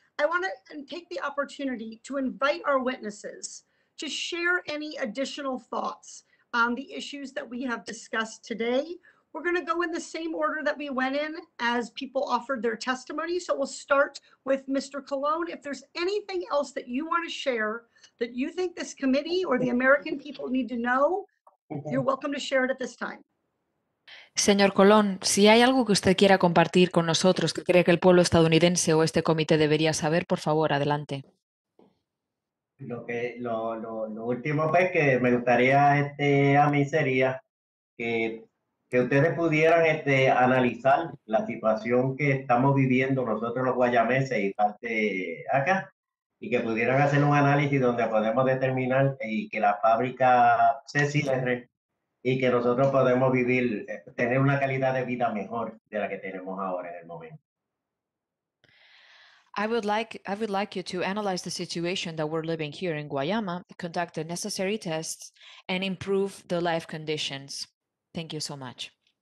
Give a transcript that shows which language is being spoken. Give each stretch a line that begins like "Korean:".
English: I want to take the opportunity to invite our witnesses to share any additional thoughts on the issues that we have discussed today. We're going to go in the same order that we went in as people offered their testimony. So we'll start with Mr. Colon. If there's anything else that you want to share that you think this committee or the American people need to know, you're welcome to share it at this time.
Spanish: Señor Colón, si hay algo que usted quiera compartir con nosotros que cree que el pueblo estadounidense o este comité debería saber, por favor, adelante. Lo último pues que me gustaría a mí sería que ustedes pudieran analizar la situación que estamos viviendo nosotros los guayameses y parte acá, y que pudieran hacer un análisis donde podemos determinar y que la fábrica CCR y que nosotros podemos vivir, tener una calidad de vida mejor de la que tenemos ahora en el momento.
English: I would like you to analyze the situation that we're living here in Guayama, conduct the necessary tests, and improve the life conditions. Thank you so much.